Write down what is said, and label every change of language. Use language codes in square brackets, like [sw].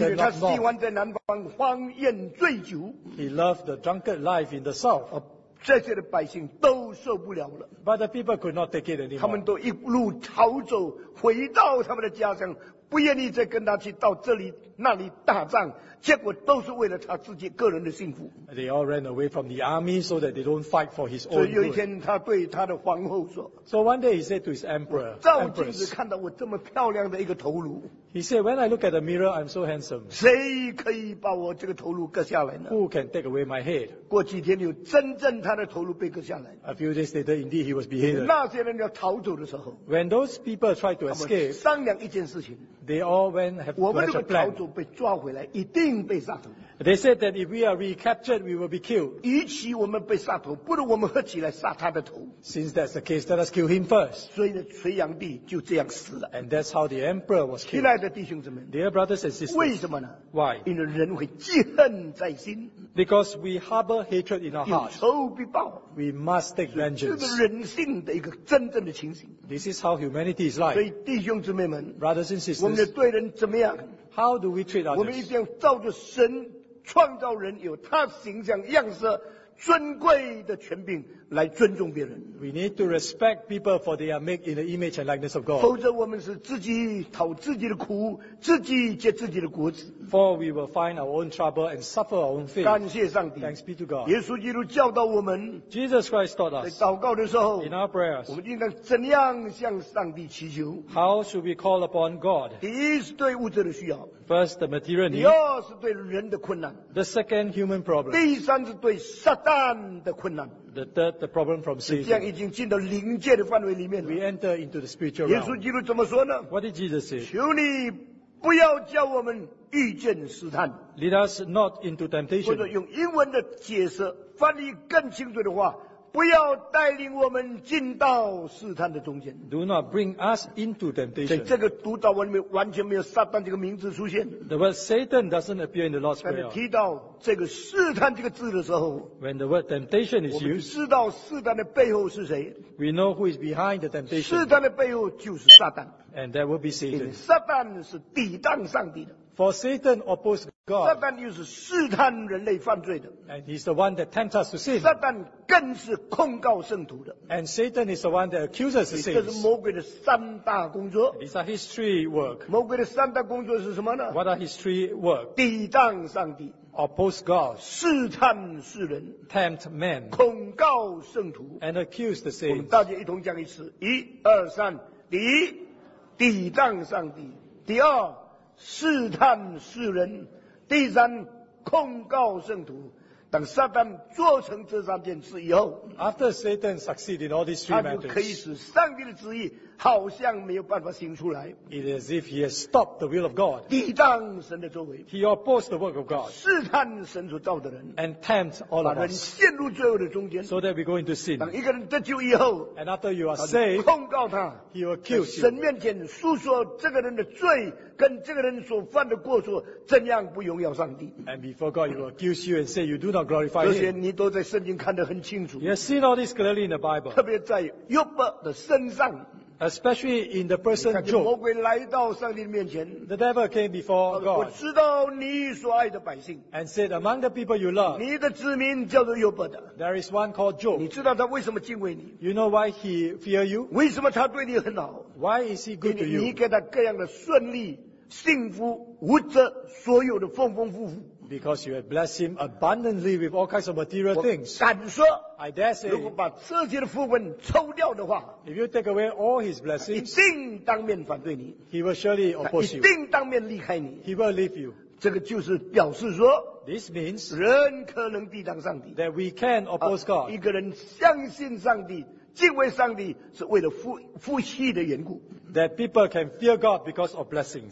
[zh] 因为他喜欢在南方荒宴醉酒。 [en] He loved the drunken life in the south. [zh] 这些的百姓都受不了了。 [en] But the people could not take it anymore. [zh] 他们都一路逃走, 回到他们的家乡, 不愿意再跟他去到这里那里打仗，结果都是为了他自己个人的幸福。 [en] They all ran away from the army so that they don't fight for his own good. [zh] 所以有一天他对他的皇后说。 [en] So one day he said to his emperor. [zh] 照镜子看到我这么漂亮的一个头颅。 [en] He said, when I look at the mirror, I'm so handsome. [zh] 谁可以把我这个头颅割下来呢？ [en] Who can take away my head? [zh] 过几天有真正他的头颅被割下来。 [en] A few days later, indeed he was beheaded. [zh] 那些人要逃走的时候。 [en] When those people tried to escape. [zh] 他们商量一件事情。 [en] They all went have to hatch a plan. [zh] 我们如果逃走被抓回来，一定被杀头。 [en] They said that if we are recaptured, we will be killed. [zh] 与其我们被杀头，不如我们合起来杀他的头。 [en] Since that's the case, let us kill him first. [zh] 所以隋炀帝就这样死了。 [en] And that's how the emperor was killed. [zh] 亲爱的弟兄姊妹 [en] ，Dear brothers and sisters, [zh] 为什么呢 [en] ？Why? [zh] 因为人会记恨在心。 [en] Because we harbor hatred in our hearts. [zh] 有仇必报。 [en] We must take vengeance. [zh] 这是人性的一个真正的情形。 [en] This is how humanity is like. [zh] 所以弟兄姊妹们 [en] ，Brothers and sisters, [zh] 我们的对人怎么样 [en] ？How do we treat others? [zh] 我们一定要照着神。创造人有他形象样式尊贵的权柄来尊重别人。 [en] We need to respect people for they are made in the image and likeness of God. [zh] 否则我们是自己讨自己的苦，自己结自己的果子。 [en] For we will find our own trouble and suffer our own fate. [zh] 感谢上帝。 [en] Thanks be to God. [zh] 耶稣基督教导我们。 [en] Jesus Christ taught us. [zh] 在祷告的时候。 [en] In our prayers. [zh] 我们应该怎样向上帝祈求 [en] ？How should we call upon God? [zh] 第一是对物质的需要。 [en] First, the material need. [zh] 第二是对人的困难。 [en] The second, human problem. [zh] 第三是对撒旦的困难。 [en] The third, the problem from Satan. [zh] 这样已经进到灵界的范围里面了。 [en] We enter into the spiritual realm. [zh] 耶稣基督怎么说呢 [en] ？What did Jesus say? [zh] 求你不要叫我们遇见试探。 [en] Lead us not into temptation. [zh] 或者用英文的解释翻译更清楚的话。不要带领我们进到试探的中间。 [en] Do not bring us into temptation. [zh] 在这个读道文里面完全没有撒旦这个名字出现。 [en] The word Satan doesn't appear in the Lord's Prayer. [zh] 但是提到这个试探这个字的时候 [en] ，When the word temptation is used， [zh] 我们知道试探的背后是谁。 [en] We know who is behind the temptation. [zh] 试探的背后就是撒旦。 [en] And that will be Satan. [zh] 撒旦是抵挡上帝的。 [en] For Satan opposed God. [zh] 撒旦又是试探人类犯罪的。 [en] And he's the one that tempts us to sin. [zh] 撒旦更是控告圣徒的。 [en] And Satan is the one that accuses the saints. [zh] 这是魔鬼的三大工作。 [en] These are his three work. [zh] 魔鬼的三大工作是什么呢 [en] ？What are his three work? [zh] 抵挡上帝。 [en] Oppose God. [zh] 试探世人。 [en] Tempt men. [zh] 控告圣徒。 [en] And accuse the saints. [zh] 我们大家一同讲一次，一二三，第一，抵挡上帝。第二。试探世人，第三控告圣徒。等撒旦做成这三件事以后 [en] ，After Satan succeeded in all these three matters， [zh] 他就可以使上帝的旨意好像没有办法行出来。 [en] It is as if he has stopped the will of God， [zh] 抵挡神的作为。 [en] He opposed the work of God， [zh] 试探神所造的人 [en] ，and tempt all of us， [zh] 把人陷入罪恶的中间。 [en] So that we go into sin， [zh] 等一个人得救以后 [en] ，and after you are saved， [zh] 控告他 [en] ，he will accuse you， [zh] 神面前诉说这个人的罪跟这个人所犯的过错怎样不荣耀上帝。 [en] And before God， he will accuse you and say you do not。 [zh] 这些你都在圣经看得很清楚。 [en] You see all this clearly in the Bible。 [zh] 特别在约伯的身上。 [en] Especially in the person Job。 [zh] 魔鬼来到上帝面前。 [en] The devil came before God。 [zh] 我知道你所爱的百姓。 [en] And said, among the people you love。 [zh] 你的子民叫做约伯的。 [en] There is one called Job。 [zh] 你知道他为什么敬畏你 [en] ？You know why he fear you？ [zh] 为什么他对你很好 [en] ？Why is he good to you？ [zh] 你给他各样的顺利、幸福、物质，所有的丰丰富富。 [en] Because you have blessed him abundantly with all kinds of material things. [zh] 敢说 [en] I dare say, [zh] 如果把这些的福分抽掉的话 [en] if you take away all his blessings, [zh] 一定当面反对你 [en] he will surely oppose you. [zh] 一定当面离开你 [en] he will leave you. [zh] 这个就是表示说 [en] this means, [zh] 人可能抵挡上帝 [en] that we can oppose God. [zh] 一个人相信上帝敬畏上帝是为了福气的缘故 [en] that people can fear God because of blessings